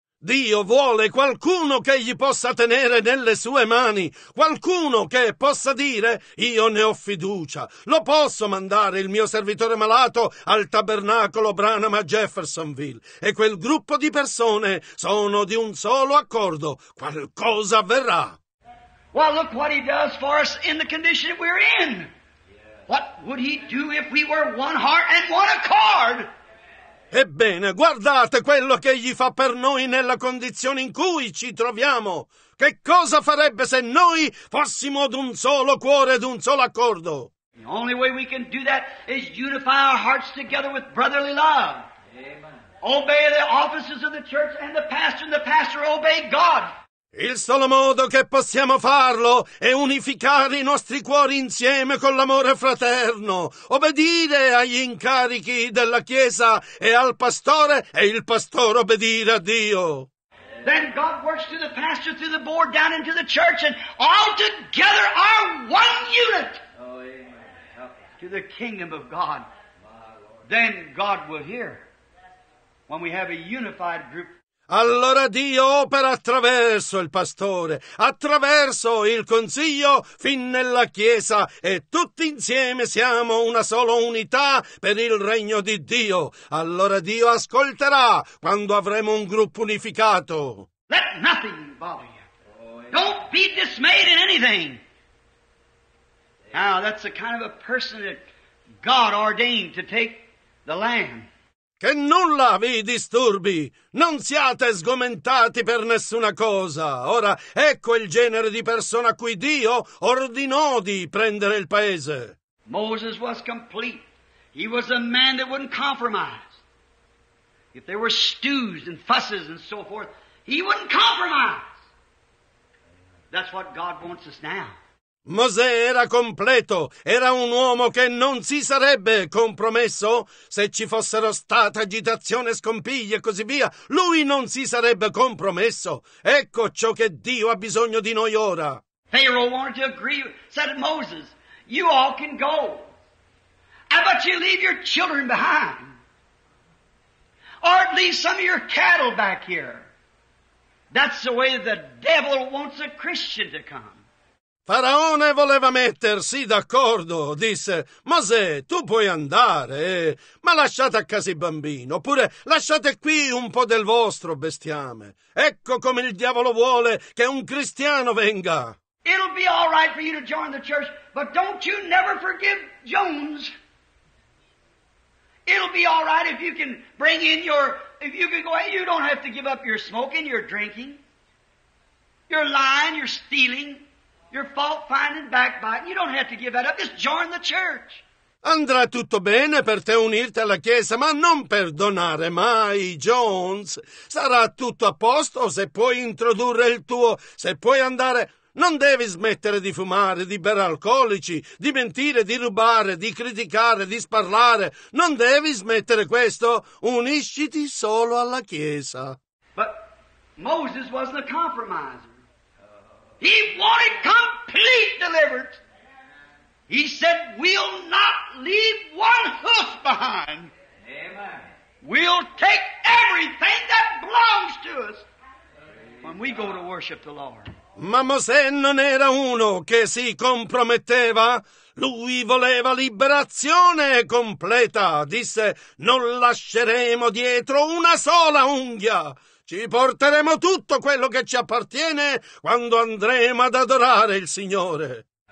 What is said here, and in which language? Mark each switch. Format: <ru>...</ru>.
<it>Dio vuole qualcuno che gli possa tenere nelle sue mani, qualcuno che possa dire, io ne ho fiducia, lo posso mandare il mio servitore malato al tabernacolo Branham a Jeffersonville. E quel gruppo di persone sono di un solo accordo, qualcosa avverrà.</it> <en>Well, look what he does for us in the condition we're in. What would he do if we were one heart and one accord?</en> <it>Ebbene, guardate quello che egli fa per noi nella condizione in cui ci troviamo. Che cosa farebbe se noi fossimo ad un solo cuore ed un solo accordo?</it> <en>The only way we can do that is unify our hearts together with brotherly love. Amen. Obey the offices of the church and the pastor obey God.</en> <it>Il solo modo che possiamo farlo è unificare i nostri cuori insieme con l'amore fraterno, obbedire agli incarichi della Chiesa e al pastore, e il pastore obbedire a Dio.</it> <en>Then God works through the pastor, through the board, down into the church, and all together are one unit. Oh, amen. To the kingdom of God. Then God will hear when we have a unified group.</en> <it>Allora Dio opera attraverso il pastore, attraverso il consiglio, fin nella chiesa, e tutti insieme siamo una sola unità per il regno di Dio. Allora Dio ascolterà quando avremo un gruppo unificato.</it> <en>Let nothing bother you. Don't be dismayed in anything. Now that's the kind of a person that God ordained to take the lamb.</en> <it>Che nulla vi disturbi, non siate sgomentati per nessuna cosa. Ora, ecco il genere di persona a cui Dio ordinò di prendere il paese.</it> <en>Moses was complete. He was a man that wouldn't compromise. If there were stews and fusses and so forth, he wouldn't compromise. That's what God wants us now.</en> <it>Mosè era completo, era un uomo che non si sarebbe compromesso se ci fossero state agitazioni, scompiglie e così via. Lui non si sarebbe compromesso. Ecco ciò che Dio ha bisogno di noi ora.</it> <en>Pharaoh wanted to agree, said Moses, you all can go. How about you leave your children behind? Or at least some of your cattle back here. That's the way the devil wants a Christian to come.</en> <it>Faraone voleva mettersi d'accordo, disse, Mosè, tu puoi andare, ma lasciate a casa i bambini, oppure lasciate qui un po' del vostro bestiame. Ecco come il diavolo vuole che un cristiano venga.</it> <en>It'll be all right for you to join the church, but don't you never forgive Jones. It'll be all right if you can bring in your, if you can go, you don't have to give up your smoking, your drinking, your lying, your stealing. Your fault finding backbiting, you don't have to give that up, just join the church.</en> <it>Andrà tutto bene per te unirti alla chiesa, ma non perdonare mai, Jones. Sarà tutto a posto se puoi introdurre il tuo, se puoi andare. Non devi smettere di fumare, di bere alcolici, di mentire, di rubare, di criticare, di sparlare. Non devi smettere questo, unisciti solo alla chiesa.</it> <en>But Moses wasn't a compromiser. He wanted complete deliverance. He said, we'll not leave one hoof behind. Amen. We'll take everything that belongs to us when we go to worship the Lord.</en> <it>Ma Mosè non era uno che si comprometteva. Lui voleva liberazione completa. Disse, non lasceremo dietro una sola unghia. Ci porteremo tutto quello che ci appartiene quando andremo ad adorare il Signore.</it>